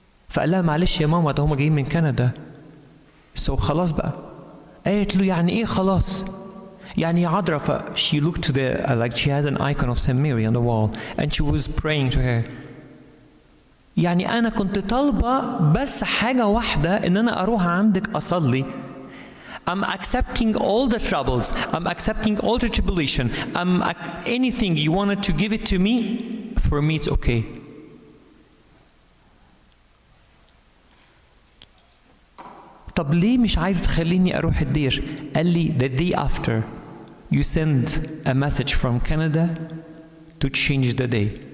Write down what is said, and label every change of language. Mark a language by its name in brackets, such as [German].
[Arabic] فقال لها معلش يا ماما هما جايين من كندا. So خلاص بقى. قالت له يعني ايه خلاص؟ يعني عذرا. [English] She looked to the, like she has an icon of St. Mary on the wall, and she was praying to her. [Arabic] يعني أنا كنت طالبة بس حاجة واحدة، إن أنا أروح عندك أصلي. [English] I'm accepting all the troubles. I'm accepting all the tribulation. Anything you wanted to give it to me, for me it's okay. [Arabic] طب ليه مش عايز تخليني أروح الدير؟ قال لي [English] the day after you send a message from Canada to change the day.